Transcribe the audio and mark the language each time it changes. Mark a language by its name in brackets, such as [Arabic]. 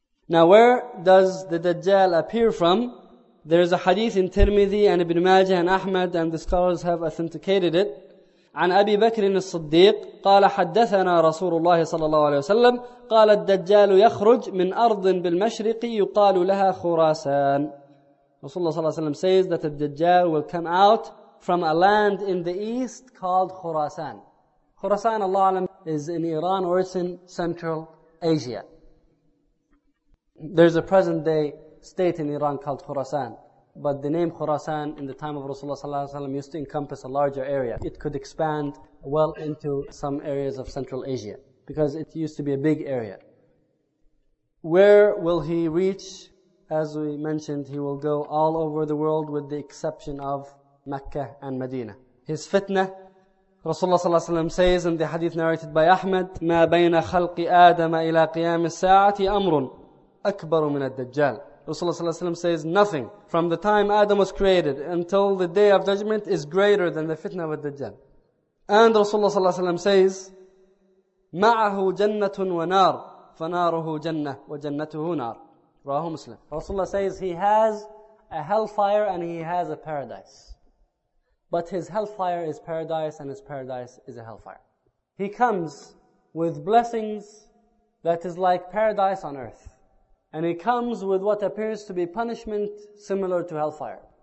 [English] Now, where does the Dajjal appear from? There is a hadith in Tirmidhi and Ibn Majah and Ahmad, and the scholars have authenticated it. [Arabic] عن أبي بكر الصديق قال حدثنا رسول الله صلى الله عليه وسلم قال الدجال يخرج من أرض بالمشرق يقال لها خراسان. رسول الله صلى الله عليه وسلم [English] says that the Dajjal will come out from a land in the east called خراسان. خراسان [Arabic] الله أعلم [English] is in Iran or it's in Central Asia. There's a present day state in Iran called خراسان. But the name Khurasan in the time of Rasulullah used to encompass a larger area. It could expand well into some areas of Central Asia because it used to be a big area. Where will he reach? As we mentioned, he will go all over the world with the exception of Mecca and Medina. His fitna, Rasulullah says in the hadith narrated by Ahmad, [Arabic] مَا بَيْنَ خَلْقِ آدَمَ إِلَىٰ قِيَامِ السَّاعَةِ أَمْرٌ أَكْبَرُ مِنَ الدَّجَّالِ. [English] Rasulullah ﷺ says nothing from the time Adam was created until the day of judgment is greater than the fitna of Dajjal. And Rasulullah ﷺ says, [Arabic] مَعَهُ جَنَّةٌ وَنَارٌ فَنَارُهُ جَنَّةٌ وَجَنَّتُهُ نَارٌ. رواه مسلم. [English] Rasulullah says he has a hellfire and he has a paradise. But his hellfire is paradise and his paradise is a hellfire. He comes with blessings that is like paradise on earth. And he comes with what appears to be punishment similar to hellfire.